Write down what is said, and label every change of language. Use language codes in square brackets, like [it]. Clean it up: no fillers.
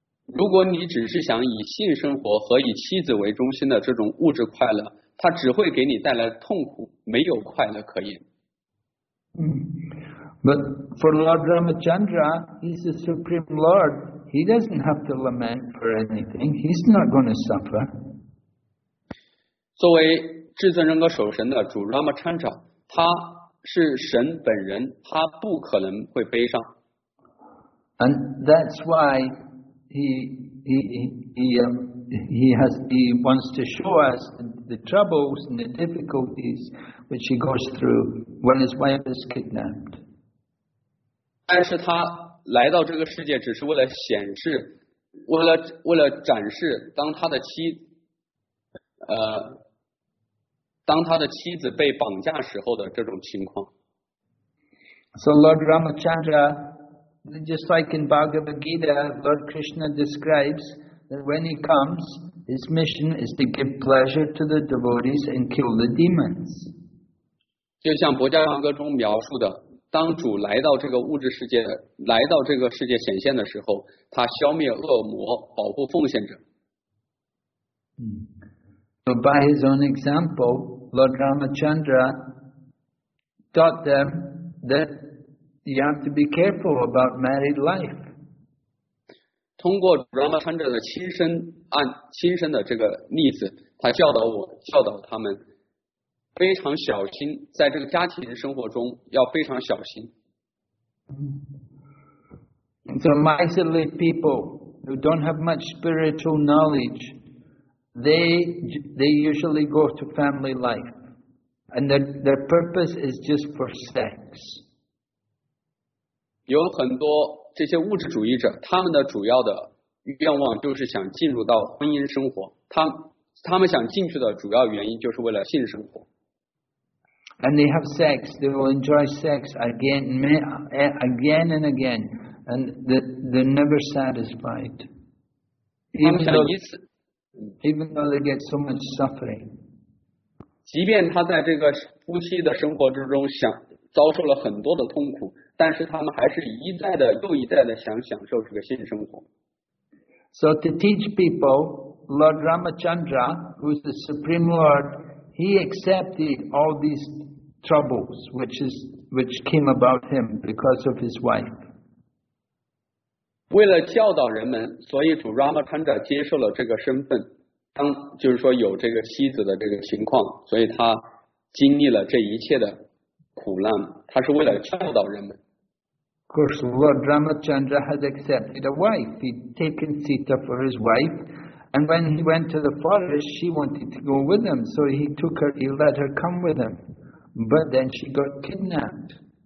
[zh] 如果你只是想以性生活和以妻子为中心的这种物质快乐，它只会给你带来痛苦，没有快乐可言。 [en] But for Lord Ramachandra, he's the Supreme Lord. He doesn't have to lament for anything. He's not going to suffer. [zh] 作为至尊人格守神的主 Ramachandra， 他是神本人，他不可能会悲伤。 [en] And that's why. He wants to show us the troubles and the difficulties which he goes through when his wife is kidnapped. [zh] 但是他来到这个世界只是为了显示，为了展示，当他的妻子被绑架时候的这种情况。 [en] So Lord Ramachandra. Just like in Bhagavad Gita, Lord Krishna describes that when he comes, his mission is to give pleasure to the devotees and kill the demons. [zh] 就像博迦牟尼歌中描述的，当主来到这个物质世界，来到这个世界显现的时候，他消灭恶魔，保护奉献者。 [en] So by his own example, Lord Ramachandra taught them that. You have to be careful about married life. [zh] 通过 Ramachandra 的亲身的这个例子，他教导他们非常小心，在这个家庭生活中要非常小心。 [en] So miserly people who don't have much spiritual knowledge, they usually go to family life, and their purpose is just for sex. [zh] 有很多这些物质主义者，他们的主要的愿望就是想进入到婚姻生活。他们想进去的主要原因就是为了性生活。 [en] And they have sex. They will enjoy sex again and again, and they're never satisfied. Even though they get so much suffering. [zh] 即便他在这个夫妻的生活之中想遭受了很多的痛苦。但是他们还是一再的又一再的想享受这个性生活。 [en] So to teach people, Lord Ramachandra, who is the Supreme Lord, he accepted all these troubles which came about him because of his wife. [zh] 为了教导人们，所以主 Ramachandra 接受了这个身份，就是说有这个妻子的这个情况，所以他经历了这一切的苦难，他是为了教导人们。 [en] Of course, Lord Ramachandra had accepted a wife. He'd taken Sita for his wife, and when he went to the forest, she wanted to go with him. So he took her, he let her come with him. But then she got kidnapped.